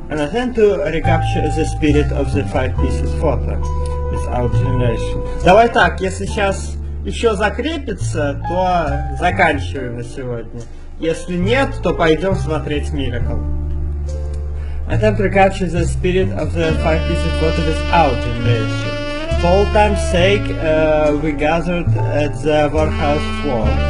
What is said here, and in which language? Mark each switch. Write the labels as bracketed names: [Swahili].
[English] An attempt to recapture the spirit of the five pieces photo. It's our generation. [Russian] Давай так, если сейчас еще закрепится, то заканчиваем на сегодня. Если нет, то пойдем смотреть Miracle. [English] Attempt to recapture the spirit of the five pieces photo is our generation. For all time's sake, we gathered at the warehouse floor.